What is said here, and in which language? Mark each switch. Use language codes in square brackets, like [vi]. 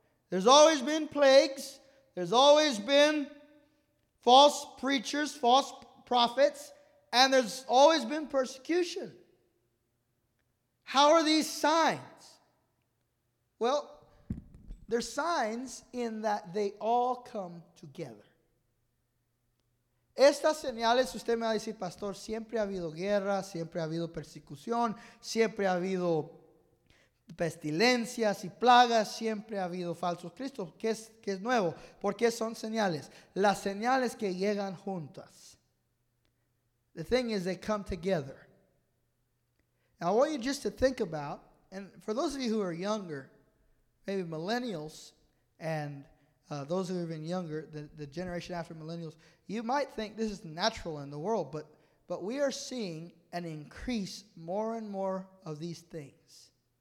[en] There's always been plagues. There's always been false preachers, false prophets. And there's always been persecution. How are these signs? Well, they're signs in that they all come together. [es] Estas señales, usted me va a decir, Pastor, siempre ha habido guerra, siempre ha habido persecución, siempre ha habido pestilencias y plagas, siempre ha habido falsos cristos. ¿Qué es nuevo? ¿Por qué son señales? Las señales que llegan juntas. [en] The thing is, they come together. Now, I want you just to think about, and for those of you who are younger, maybe millennials, and those who are even younger, the generation after millennials, you might think this is natural in the world, but we are seeing an increase more and more of these things.